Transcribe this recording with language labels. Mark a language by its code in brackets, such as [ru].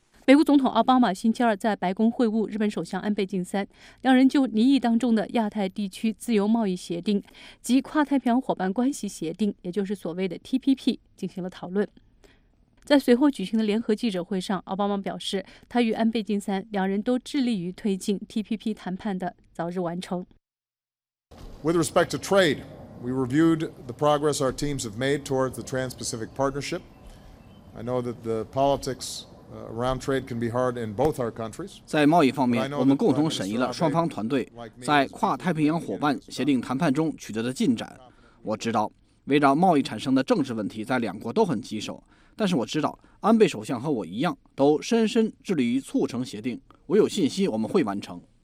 [zh] 美国总统奥巴马星期二在白宫会晤日本首相安倍晋三，两人就拟议当中的亚太地区自由贸易协定及跨太平洋伙伴关系协定，也就是所谓的 TPP 进行了讨论。在随后举行的联合记者会上，奥巴马表示，他与安倍晋三两人都致力于推进 TPP 谈判的早日完成。 [en] With respect to trade, we reviewed the progress our teams have made towards the Trans-Pacific Partnership. I know that the politics around trade can be hard in both our countries. [zh] 在贸易方面，我们共同审议了双方团队在跨太平洋伙伴协定谈判中取得的进展。我知道，围绕贸易产生的政治问题在两国都很棘手。但是我知道安倍首相和我一样都深深致力于促成协定，我有信心我们会完成。